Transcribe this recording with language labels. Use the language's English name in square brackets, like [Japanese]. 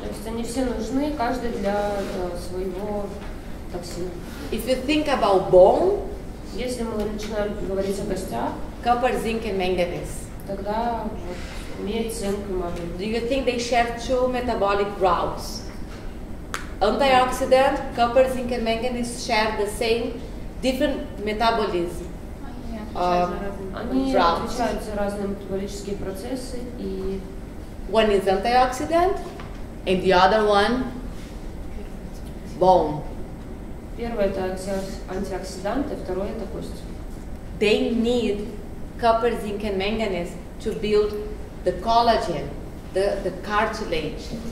[Russian] То есть они все нужны, каждый для своего токсина. [English] If you think about bone, [Russian] если мы начинаем говорить о костях, [English] copper, zinc, and manganese. [Russian] Тогда вот медь, цинк и магний. [English] Do you think they share two metabolic routes? Antioxidant, copper, zinc, and manganese share the same different metabolism. [Russian] Они отвечают за разные метаболические процессы и [English] one is antioxidant and the other one bone. [Russian] Первое это антиоксидант, и второе это кость. [English] They need copper, zinc and manganese to build the collagen, the cartilage.